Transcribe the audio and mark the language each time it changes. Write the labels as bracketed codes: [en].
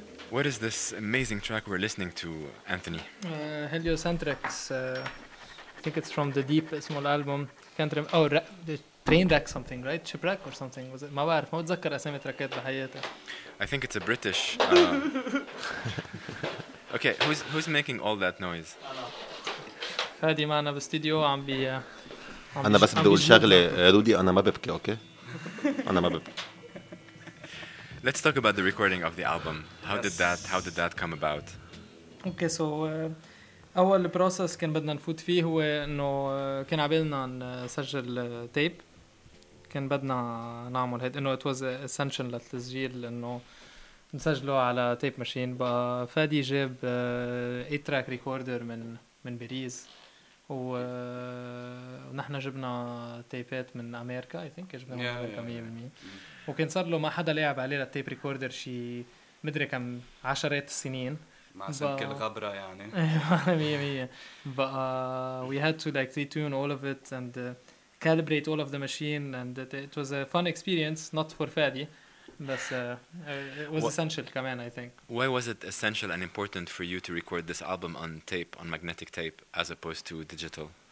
[en] What is this amazing track we're listening to, Anthony? Heliocentrix. I think it's from the Deep, a small album. Can't remember. Oh, the Trainwreck something, right? Shipwreck or something. Was it? [ar] ما بعرف. ما بتذكر اسامي تراكات بحياتي. [en] I think it's a British. okay, who's making all that noise? [ar] فادي معنا بالستوديو عم بي. أنا بس بدي أقول شغلة رودي أنا ما ببكي أوكي أنا ما ببكي. [en] Let's talk about the recording of the album. How did that come about? [ar] Okay, so أول process كان بدنا نفوت فيه هو إنه كان عبالنا نسجل تيب كان بدنا نعمل هاد إنه [en] it was essential [ar] للتسجيل إنه نسجله على تيب ماشين بقى فادي جاب 8 track recorder من باريس ونحن جبنا تيبات من أمريكا [en] I think [ar] جبنا من أمريكا 100% وكان صار له ما حدا لعب عليه التيب ريكوردر شي مدري كم عشرات السنين مع سمك الغبرة يعني 100% بقى we had to like retune all of it and calibrate all of the machine and it was a fun experience not for Fadi بس it was essential كمان I think. [en] Why was it essential and important for you to record this album on tape, on magnetic tape, as opposed to digital?